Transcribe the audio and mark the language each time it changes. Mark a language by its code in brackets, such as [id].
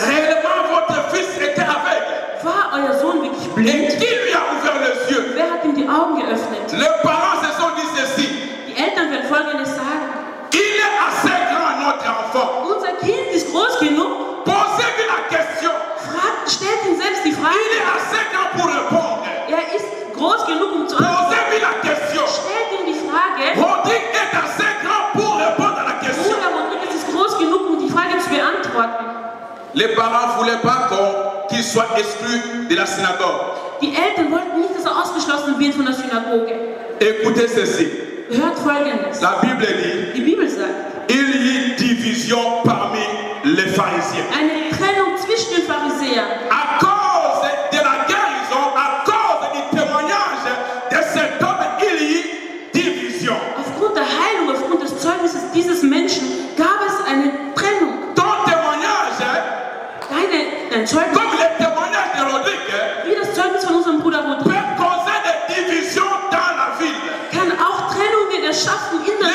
[fr] Réellement votre fils était aveugle. [de] War euer Sohn wirklich blind? [fr] Et qui lui a ouvert les yeux? [de] Wer hat ihm die Augen geöffnet? [fr] Les parents se sont dit ceci. [de] Die Eltern werden folgendes sagen. [fr] Il est assez grand notre enfant. [de] Unser Kind ist groß genug. [fr] Posez-lui la question. [de] Stellt ihm selbst die Frage. [fr] Il est assez grand pour répondre. [de] Er ist groß genug, um zu antworten. [fr] Posez-lui la question. [de] Stellt ihm die Frage. [fr] Rodrigue est assez grand pour répondre à la question. [de] Bruder Rodrigue ist groß genug, um die Frage zu beantworten. [fr] Les parents voulaient pas qu'il soit exclu de la synagogue. [de] Die Eltern wollten nicht, dass er ausgeschlossen wird von der Synagoge. [fr] Écoutez ceci. [de] Hört folgendes. [fr] La Bible dit. [de] Die Bibel sagt. [fr] Il y a division parmi les pharisiens. [de] Eine Trennung zwischen den Pharisäern. [fr] À cause de la guérison, à cause du témoignage de cet homme, il y a division. [de] Aufgrund der Heilung, aufgrund des Zeugnisses dieses Menschen, gab es eine Trennung. [fr] Ton témoignage, [de] dein Zeugnis, [fr] comme le témoignage de Rodrigue, [de] wie das Zeugnis von unserem Bruder Rodrigue, [fr] peut causer des divisions dans la ville. [de] Kann auch Trennungen erschaffen in der